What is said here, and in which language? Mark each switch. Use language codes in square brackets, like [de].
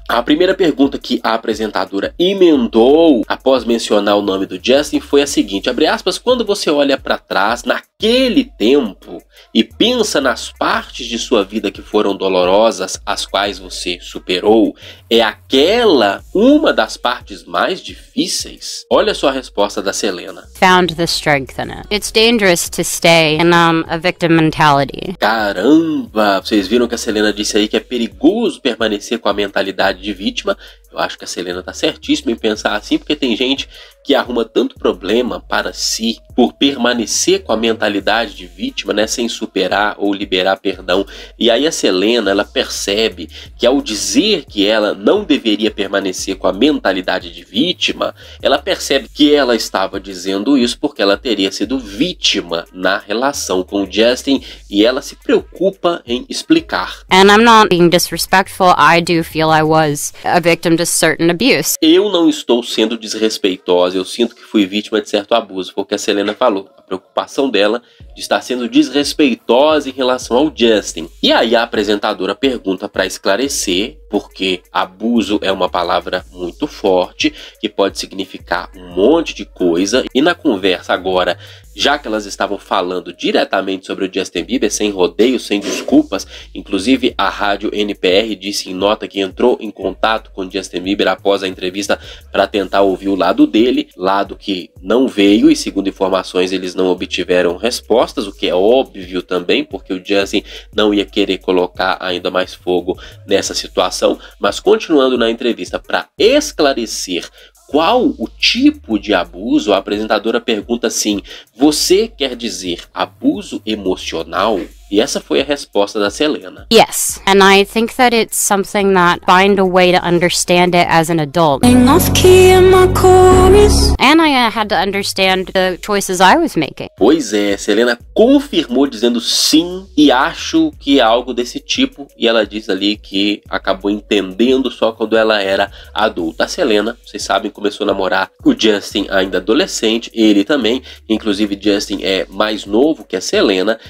[pt] A primeira pergunta que a apresentadora emendou após mencionar o nome do Justin foi a seguinte, abre aspas, quando você olha para trás naquele tempo e pensa nas partes de sua vida que foram dolorosas, as quais você superou, é aquela uma das partes mais difíceis? Olha só a resposta da Selena. [en] Found the strength in it. It's dangerous to stay in a victim mentality. [pt] Caramba, vocês viram que a Selena disse aí que é perigoso permanecer com a mentalidade de vítima. Eu acho que a Selena tá certíssima em pensar assim, porque tem gente que arruma tanto problema para si por permanecer com a mentalidade de vítima, né, sem superar ou liberar perdão. E aí a Selena, ela percebe que ao dizer que ela não deveria permanecer com a mentalidade de vítima, ela percebe que ela estava dizendo isso porque ela teria sido vítima na relação com o Justin, e ela se preocupa em explicar. [en] And I'm not being disrespectful, I do feel I was a victim to certain abuse. [pt] Eu não estou sendo desrespeitosa. Eu sinto que fui vítima de certo abuso, porque a Selena falou, a preocupação dela de estar sendo desrespeitosa em relação ao Justin. E aí a apresentadora pergunta para esclarecer, porque abuso é uma palavra muito forte, que pode significar um monte de coisa. E na conversa agora, já que elas estavam falando diretamente sobre o Justin Bieber, sem rodeios, sem desculpas, inclusive a rádio NPR disse em nota que entrou em contato com o Justin Bieber após a entrevista para tentar ouvir o lado dele, lado que não veio, e segundo informações eles não obtiveram respostas, o que é óbvio também, porque o Justin não ia querer colocar ainda mais fogo nessa situação. Mas continuando na entrevista, para esclarecer qual o tipo de abuso, a apresentadora pergunta assim, você quer dizer abuso emocional? E essa foi a resposta da Selena. [en] Yes, and I think that it's something that find a way to understand it as an adult. Enough key in my chorus. And I had to understand the choices I was making. [pt] Pois é, Selena confirmou dizendo sim, e acho que algo desse tipo, e ela diz ali que acabou entendendo só quando ela era adulta. A Selena, vocês sabem, começou a namorar o Justin ainda adolescente, ele também, inclusive Justin é mais novo que a Selena.